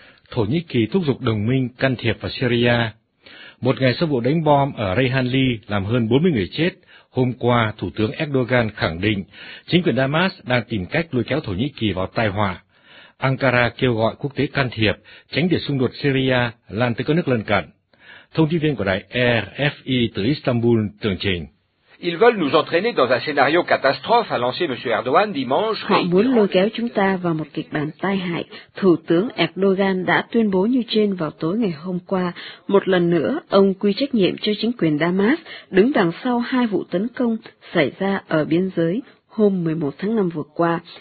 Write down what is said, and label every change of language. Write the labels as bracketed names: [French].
[Vietnamese] Thổ Nhĩ Kỳ thúc giục đồng minh can thiệp vào Syria. Một ngày sau vụ đánh bom ở Reyhanli làm hơn 40 người chết. Hôm qua, Thủ tướng Erdogan khẳng định chính quyền Damas đang tìm cách lôi kéo Thổ Nhĩ Kỳ vào tai họa. Ankara kêu gọi quốc tế can thiệp, tránh để xung đột Syria lan tới các nước lân cận. Thông tin viên của đài RFI từ Istanbul tường trình. [French] Ils veulent nous entraîner dans un scénario catastrophe, a lancé Monsieur Erdogan dimanche. [Vietnamese] Họ muốn lôi kéo chúng ta vào một kịch bản tai hại. Thủ tướng Erdogan đã tuyên bố như trên vào tối ngày hôm qua. Một lần nữa, ông quy trách nhiệm cho chính quyền Damas đứng đằng sau hai vụ tấn công xảy ra ở biên giới hôm 11 tháng 5 vừa qua.